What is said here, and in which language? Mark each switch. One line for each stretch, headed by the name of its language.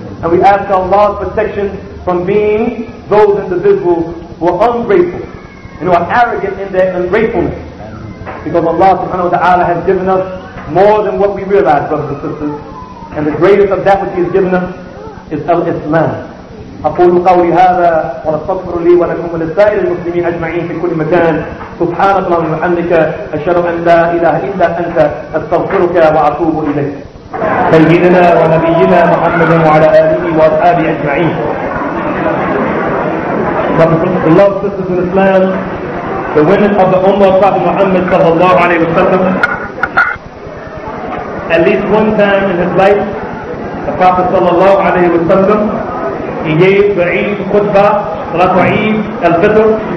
English: And we ask Allah's protection from being those individuals who are ungrateful and who are arrogant in their ungratefulness. Because Allah subhanahu wa ta'ala has given us more than what we realize, brothers and sisters. And the greatest of that which He has given us is al-Islam.
Arabic: أقول قولي هذا وأستغفر لي ولكم ولسائر المسلمين أجمعين في كل مكان. سبحان الله وبحمدك أشهد أن لا إله إلا أنت أستغفرك وأتوب إليك. سيدنا ونبينا محمد وعلى آله وأصحابه أجمعين.
English: Love sisters in Islam, the women of the Ummah of Prophet Muhammad
Arabic: صلى الله عليه وسلم.
English: At least one time in his life, the Prophet
Arabic: صلى الله عليه وسلم,
English: he gave the Eid khutbah, Salatu Eid al-Fitr.